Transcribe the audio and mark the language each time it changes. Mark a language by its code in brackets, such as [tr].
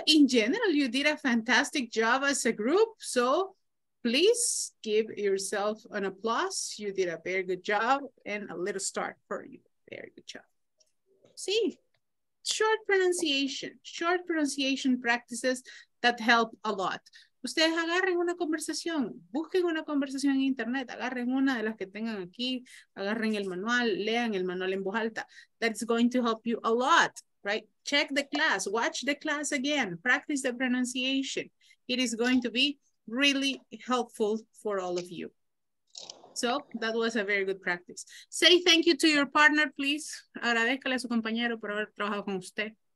[en] In general, you did a fantastic job as a group. So please give yourself an applause. You did a very good job and a little start for you. Very good job. See, short pronunciation practices that help a lot. [es] Ustedes agarren una conversación, busquen una conversación en internet, agarren una de las que tengan aquí, agarren el manual, lean el manual en voz alta. [en] That's going to help you a lot. Right? Check the class, watch the class again, practice the pronunciation. It is going to be really helpful for all of you. So that was a very good practice. Say thank you to your partner, please. [es] Agradezcale a su compañero por haber trabajado con usted.